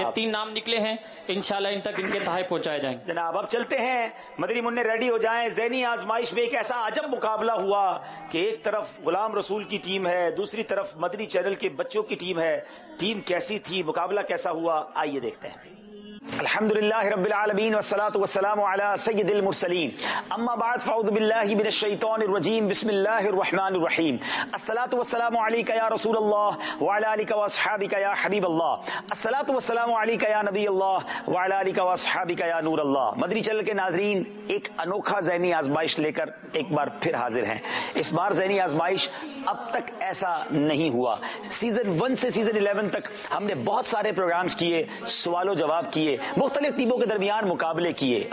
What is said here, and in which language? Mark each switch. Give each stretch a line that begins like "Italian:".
Urdu: یہ تین نام نکلے ہیں، انشاءاللہ ان تک ان کے تحائف پہنچائے جائیں. جناب اب چلتے ہیں، مدری منع ریڈی ہو جائیں. ذہنی آزمائش میں ایک ایسا عجب مقابلہ ہوا کہ ایک طرف غلام رسول کی ٹیم ہے، دوسری طرف مدری چینل کے بچوں کی ٹیم ہے. ٹیم کیسی تھی، مقابلہ کیسا ہوا، آئیے دیکھتے ہیں.
Arabic: الحمد لله رب العالمين والصلاة والسلام على سيد المرسلين اما بعد فاعوذ بالله من الشيطان الرجيم بسم الله الرحمن الرحيم الصلاة والسلام عليك يا رسول الله وعلى اليك واصحابك يا حبيب الله الصلاة والسلام عليك يا نبي الله وعلى اليك واصحابك يا نور الله.
Urdu: مدری چل کے ناظرین ایک انوکھا ذہنی آزمائش لے کر ایک بار پھر حاضر ہیں. اس بار ذہنی آزمائش اب تک ایسا نہیں ہوا. سیزن 1 سے سیزن 11 تک ہم نے بہت سارے پروگرامز کیے، سوال و جواب کیے، مختلف ٹیموں کے درمیان مقابلے کیے.